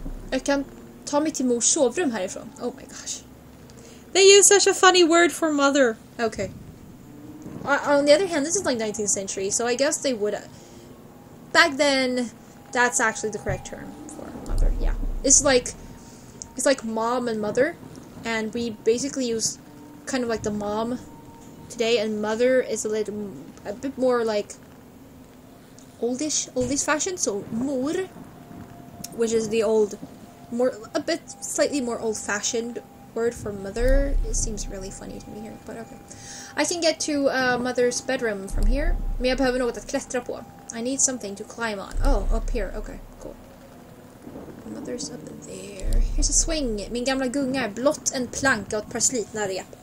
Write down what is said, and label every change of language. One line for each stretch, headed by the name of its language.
Swedish: Jag kan ta mig till mors sovrum härifrån.
English: Oh my gosh. They use such a funny word for mother. Okay. On the other hand, this is like 19th century, so I guess they would... Back then, that's actually the correct term for mother, yeah. It's like mom and mother, and we basically use kind of like the mom today, and mother is a bit more like oldish fashion, so mor, which is the old, more a bit slightly more old-fashioned word for mother. It seems really funny to me here, but okay. I can get to mother's bedroom from here.
Swedish: Men jag behöver något att klättra på.
English: I need something to climb on. Oh, up here. Okay, cool. Mother's up there. Here's a swing.
Swedish: Min gamla gunga är blott en planka och ett par slitna rep.